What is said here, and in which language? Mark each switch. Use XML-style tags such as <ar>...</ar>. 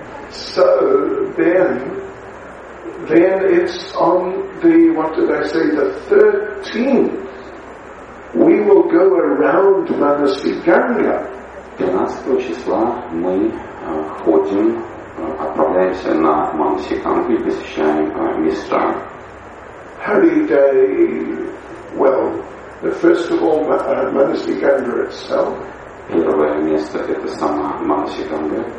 <en>So then it's on the, what did I say, the 13th. We will go around Manasi Ganga.</en> <ru>13 числа мы ходим, отправляемся на Манаси Ганги и посещаем места.</ru> <en>Holy day, well, first of all, Manasi Ganga itself.</en> <ru>Первое место – это сама Манаси Ганга.</ru>